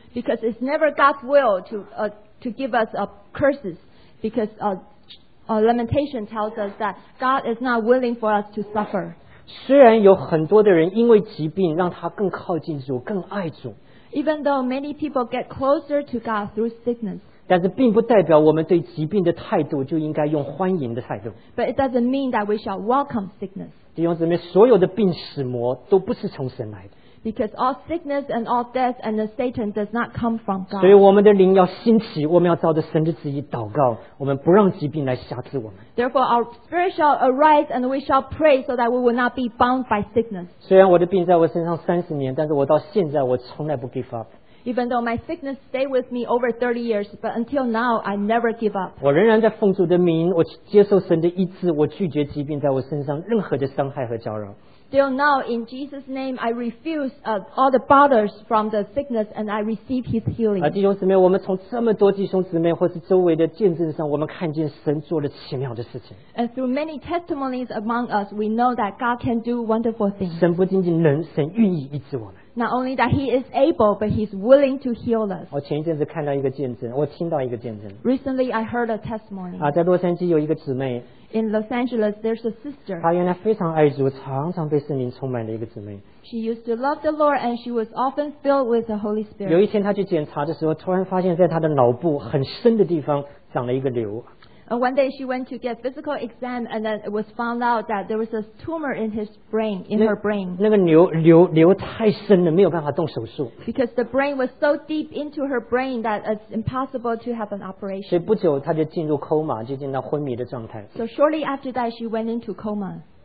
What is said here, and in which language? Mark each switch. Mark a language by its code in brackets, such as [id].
[en] Because it's never God's will to give us curses, because Lamentation tells us that God is not willing for us to suffer. [zh] 虽然有很多的人因为疾病让他更靠近主，更爱主。 [en] Even though many people get closer to God through sickness. [zh] 但是并不代表我们对疾病的态度就应该用欢迎的态度。 [en] But it doesn't mean that we shall welcome sickness. [zh] 弟兄姊妹, 所有的病死魔都不是从神来的。 [en] Because all sickness and all death and the Satan does not come from God. [zh] 所以我们的灵要兴起, 我们要照着神的旨意祷告, 我们不让疾病来辖制我们。 [en] Therefore, our spirit shall arise and we shall pray so that we will not be bound by sickness. [zh] 虽然我的病在我身上30年, 但是我到现在, 我从来不 [en] give up. Even though my sickness stayed with me over 30 years, but until now, I never give up. [zh] 我仍然在奉主的名, 我接受神的医治, 我拒绝疾病在我身上任何的伤害和搅扰。 [en] Still now, in Jesus' name, I refuse all the bothers from the sickness and I receive His healing. [zh] 弟兄姊妹，我们从这么多弟兄姊妹或是周围的见证上，我们看见神做了奇妙的事情。 [en] And through many testimonies among us, we know that God can do wonderful things. [zh] 神不仅仅能，神愿意医治我们。 [en] Not only that he is able, but he's willing to heal us. [zh] 我听到一个见证。 [en] Recently, I heard a testimony. [zh] 在洛杉矶有一个姊妹。 [en] In Los Angeles, there's a sister. [zh] 她原来非常爱主，常常被圣灵充满的一个姊妹。 [en] She used to love the Lord, and she was often filled with the Holy Spirit. [zh] 有一天她去检查的时候，突然发现在她的脑部很深的地方长了一个瘤。 [en] And one day she went to get physical exam, and then it was found out that there was a tumor in his brain, in her brain. [zh] 那个瘤太深了，没有办法动手术。 [en] Because the brain was so deep into her brain that it's impossible to have an operation. [zh] 所以不久她就进入 coma, 就进入昏迷的状态。 [en] So shortly after that, she went into coma.